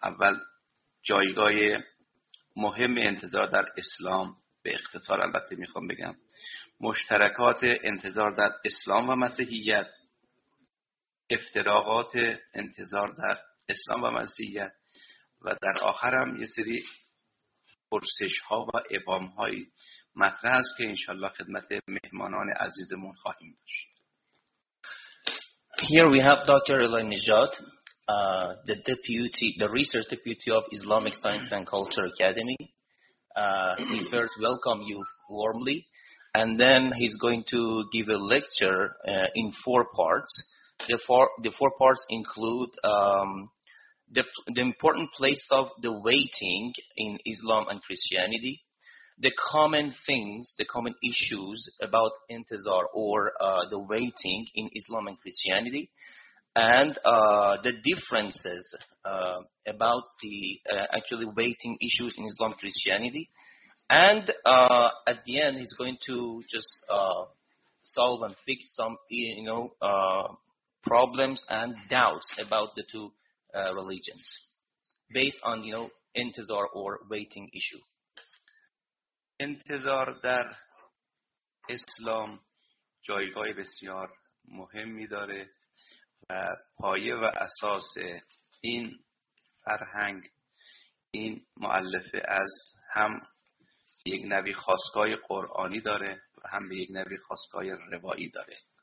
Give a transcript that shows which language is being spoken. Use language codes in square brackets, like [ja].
[fa] اول جایگاه مهم انتظار در اسلام، به اختصار البته میخوام بگم مشترکات انتظار در اسلام و مسیحیت، افتراقات انتظار در اسلام و مسیحیت، و در آخرم یه سری پرسش ها و ابهام های مطرح است که انشالله خدمت مهمانان عزیزمون خواهیم داشت. [en] Here we have Dr. Elai Nijat, the deputy, the research deputy of Islamic Science and Culture Academy. We first welcome you warmly, And then he's going to give a lecture in four parts. The four parts include the important place of the waiting in Islam and Christianity, the common issues about intizar or the waiting in Islam and Christianity, and the differences about the actually waiting issues in Islam and Christianity. And at the end, he's going to just solve and fix some, you know, problems and doubts about the two religions based on, you know, intizar or waiting issue. [fa] انتظار در اسلام جایگاه بسیار مهمی داره و پایه و اساس این فرهنگ، این مؤلفه از هم یک نوی خواستگاه قرآنی داره و هم به یک نوی خواستگاه روایی داره.